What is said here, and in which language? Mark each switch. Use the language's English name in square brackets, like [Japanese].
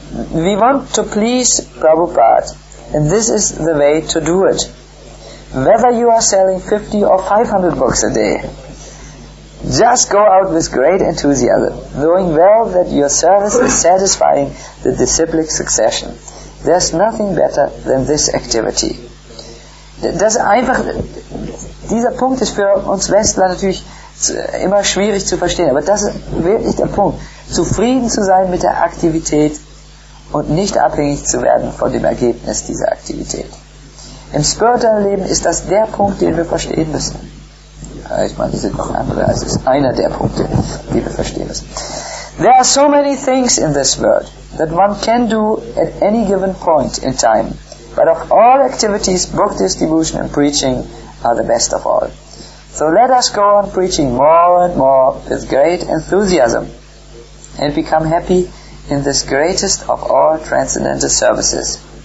[English] We want to please Prabhupada, and this is the way to do it. Whether you are selling 50 or 500 books a day, just go out with great enthusiasm, knowing well that your service is satisfying the disciplic succession. There's nothing better than this activity. [German] Das einfach, dieser Punkt ist für uns Westler natürlich immer schwierig zu verstehen, aber das ist wirklich der Punkt. Zufrieden zu sein mit der Aktivität und nicht abhängig zu werden von dem Ergebnis dieser Aktivität. Im spirituellen Leben ist das der Punkt, den wir verstehen müssen. Ich meine, es sind noch andere, es ist einer der Punkte, die wir verstehen müssen. [English] There are so many things in this world that one can do at any given point in time. But of all activities, book distribution and preaching are the best of all. So let us go on preaching more and more with great enthusiasm and become happy in this greatest of all transcendental services.